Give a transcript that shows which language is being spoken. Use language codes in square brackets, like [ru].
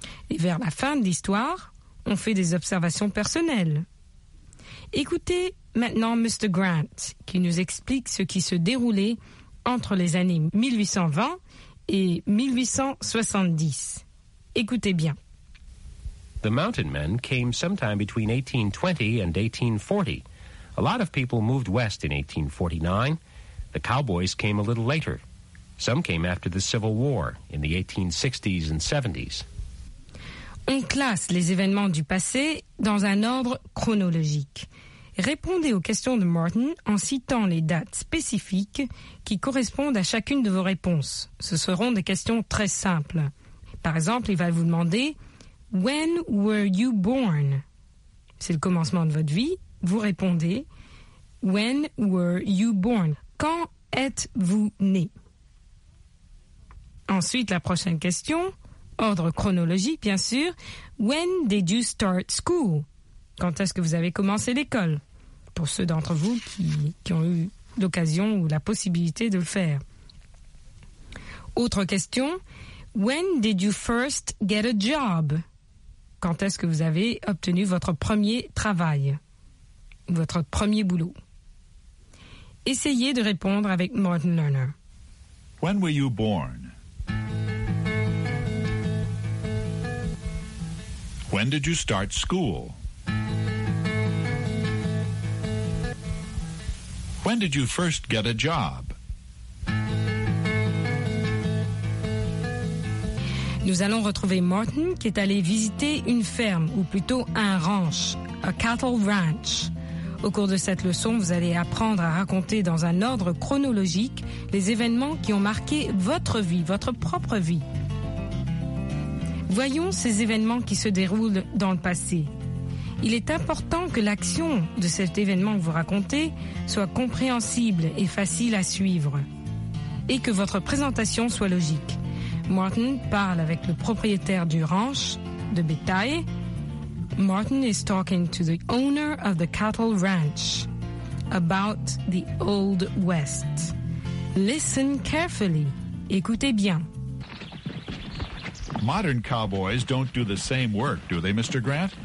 [fr] Et vers la fin de l'histoire, on fait des observations personnelles. Écoutez maintenant Mr. Grant, qui nous explique ce qui se déroulait entre les années 1820 et 1870. Écoutez bien. [en] The mountain men came sometime between 1820 and 1840. A lot of people moved west in 1849. The cowboys came a little later. Some came after the Civil War in the 1860s and 70s. [fr] On classe les événements du passé dans un ordre chronologique. Répondez aux questions de Martin en citant les dates spécifiques qui correspondent à chacune de vos réponses. Ce seront des questions très simples. Par exemple, il va vous demander « [en] When were you born ?» [fr] C'est le commencement de votre vie. Vous répondez « [en] When were you born ?» [fr] Quand êtes-vous né ? Ensuite, la prochaine question. Ordre chronologique, bien sûr. [en] When did you start school? [fr] Quand est-ce que vous avez commencé l'école? Pour ceux d'entre vous qui ont eu l'occasion ou la possibilité de le faire. Autre question. [en] When did you first get a job? [fr] Quand est-ce que vous avez obtenu votre premier travail? Votre premier boulot? Essayez de répondre avec Martin Lerner. [en] When were you born? When did you start school? When did you first get a job? [fr] Nous allons retrouver Martin qui est allé visiter une ferme, ou plutôt un ranch, [en] a cattle ranch. [fr] Au cours de cette leçon, vous allez apprendre à raconter dans un ordre chronologique les événements qui ont marqué votre vie, votre propre vie. Voyons ces événements qui se déroulent dans le passé. Il est important que l'action de cet événement que vous racontez soit compréhensible et facile à suivre, et que votre présentation soit logique. Martin parle avec le propriétaire du ranch de bétail. [en] Martin is talking to the owner of the cattle ranch about the Old West. Listen carefully. [fr] Écoutez bien. [en] Modern cowboys don't do the same work, do they, Mr. Grant?